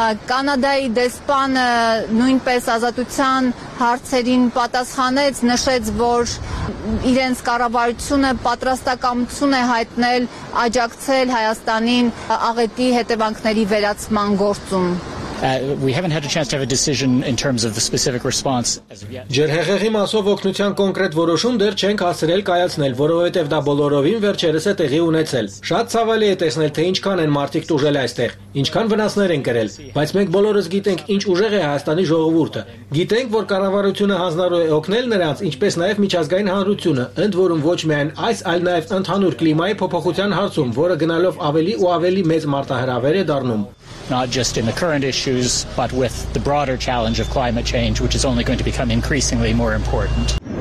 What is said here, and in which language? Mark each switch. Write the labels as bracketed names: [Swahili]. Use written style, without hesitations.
[Armenian] Կանադայի դեսպանը նույնպես ազատության հարցերին պատասխանեց, նշեց, որ իրենց կառավարությունը պատրաստակամություն է հայտնել աջակցել Հայաստանին աղետի հետևանքների վերացման գործում։ [English] We haven't had a chance to have a decision in terms of the specific response as of yet. [Armenian] Ջերհեղեղի մասով օգնության կոնկրետ որոշում դեռ չենք հասցրել կայացնել, որովհետև դա բոլորովին վերջերս է տեղի ունեցել։ Շատ ցավալի է տեսնել, թե ինչքան են մարդիկ տուժել այստեղ, ինչքան վնասներ են կրել, բայց մենք բոլորս գիտենք, ինչ ուժեղ է Հայաստանի ժողովուրդը։ Գիտենք, որ կառավարությունը հանձնարարել է օգնել նրանց, ինչպես նաև միջազգային հանրությունը, ընդ որում ոչ միայն այս, այլ նաև ընդհանուր կլիմայի փոփոխության հարցում, որը գնալով ավելի ու ավելի մեծ մարտահրավեր է դառնում։ [English] Not just in the current issues, but with the broader challenge of climate change, which is only going to become increasingly more important.